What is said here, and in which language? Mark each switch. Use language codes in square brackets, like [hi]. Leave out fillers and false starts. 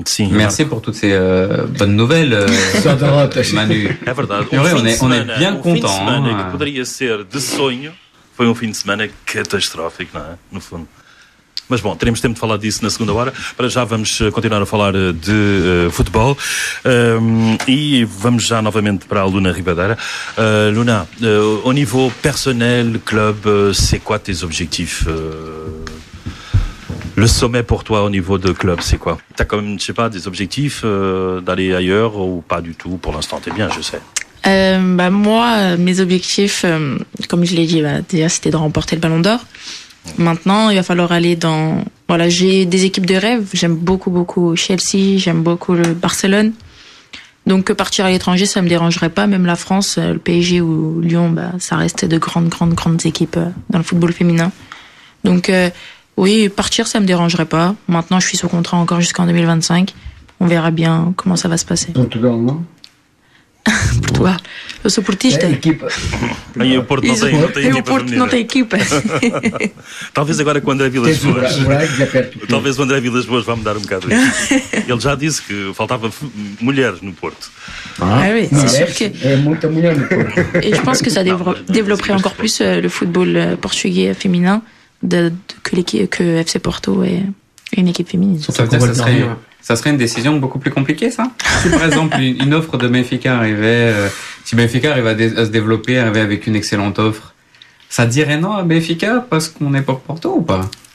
[fr] Merci pour toutes ces bonnes nouvelles, Manu. [pt] É verdade, [fr] on est bien contents. [pt] Um fim de semana que poderia ser de sonho, foi um fim de semana catastrófico, não é? No fundo. Mas bom, teremos tempo de falar disso na segunda hora. Para já vamos continuar a falar de futebol. E vamos já novamente para a Luna Ribadeira. [fr] Luna, [pt] ao nível [fr] personnel, club, c'est quoi tes objectifs? Le sommet pour toi au niveau de club, c'est quoi? T'as quand même, je sais pas, des objectifs d'aller ailleurs ou pas du tout? Pour l'instant, t'es bien, je sais. Moi, mes objectifs, comme je l'ai dit, déjà, c'était de remporter le Ballon d'Or. Maintenant, il va falloir aller dans... Voilà, j'ai des équipes de rêve. J'aime beaucoup, beaucoup Chelsea. J'aime beaucoup le Barcelone. Donc, partir à l'étranger, ça ne me dérangerait pas. Même la France, le PSG ou Lyon, bah, ça reste de grandes, grandes, grandes équipes dans le football féminin. Donc, oui, partir, ça ne me dérangerait pas. Maintenant, je suis sous contrat encore jusqu'en 2025. On verra bien comment ça va se passer. Portugal, non? [pt] Portugal. Eu sou portista. É a equipa. E o Porto não tem equipa. E o Porto não tem equipa. Talvez agora com o André Vilas Boas. Talvez o André Vilas Boas vá mudar um bocado isso. Ele já disse que faltava mulheres no Porto. [fr] Ah, oui, c'est sûr que... [pt] É muita mulher no Porto. [fr] Et je pense que ça développerait encore plus le football portugais féminin que FC Porto est une équipe féminine. Ça serait une décision beaucoup plus compliquée, ça. Si par exemple une offre de Benfica arrivait, si Benfica arrivait à se développer, arrivait avec une excellente offre, ça dirait non à Benfica parce qu'on est pour Porto ou pas?